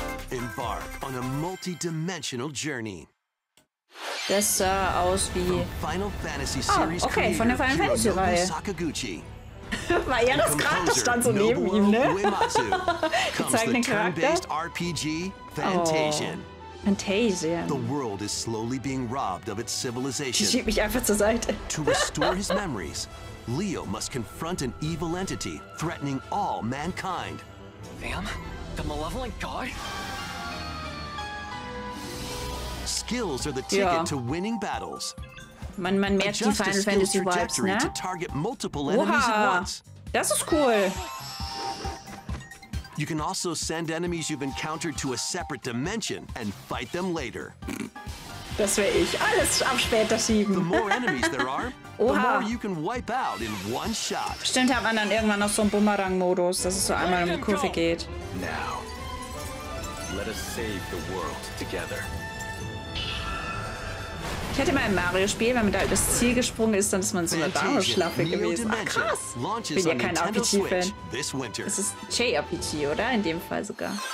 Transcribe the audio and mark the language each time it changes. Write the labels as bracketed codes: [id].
[en] Embark on a multi-dimensional journey. [de] Das sah aus wie Final Fantasy Series. Oh, okay, von der Final Fantasy Reihe. Sakaguchi. War ja das gerade, das stand so neben ihm, ne? Zeigt den Charakter. RPG Fantasia. [en] The world is slowly being robbed of its civilization. [de] Die schiebt mich einfach zur Seite. [en] To restore his memories, Leo must confront an evil entity threatening all mankind. Vam? The malevolent god? Skills are the ticket to winning battles. [de] Man merkt die Final Fantasy Vibes, ne? [en] To target multiple enemies at once. [de] Das ist cool. [en] You can also send enemies you've encountered to a separate dimension and fight them later. [de] Das wäre ich. Alles am später schieben. [en] The more enemies there are, the more you can wipe out in one shot. [de] Stimmt, hat man dann irgendwann noch so einen Bumerang-Modus, dass es so einmal um die Kurve geht. [en] Now, let us save the world together. [de] Ich hätte mal ein Mario-Spiel, wenn man da das Ziel gesprungen ist, dann ist man so eine Dauerschlappe gewesen. Ach, krass! Ich bin ja kein RPG-Fan. Es ist JRPG, oder? In dem Fall sogar.